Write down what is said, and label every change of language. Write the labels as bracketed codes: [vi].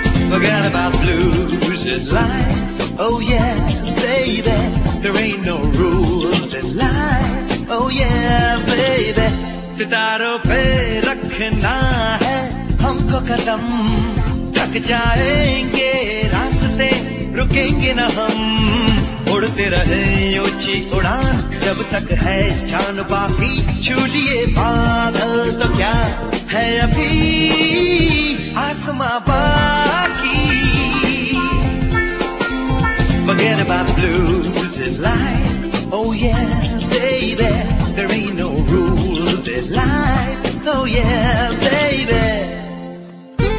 [en] Forget about blues in life, oh yeah, baby. There ain't no rules in life, oh yeah, baby. [hi] सितारों पे रखना है हमको कदम, थक जाएंगे रास्ते रुकेंगे ना हम, उड़ते रहे ऊंची उड़ान जब तक है जान बाकी, छू लिए बादल तो क्या है अभी आसमां बाकी। [en] Forget about blues in life, oh yeah, baby. There ain't no rules in life, oh yeah, baby.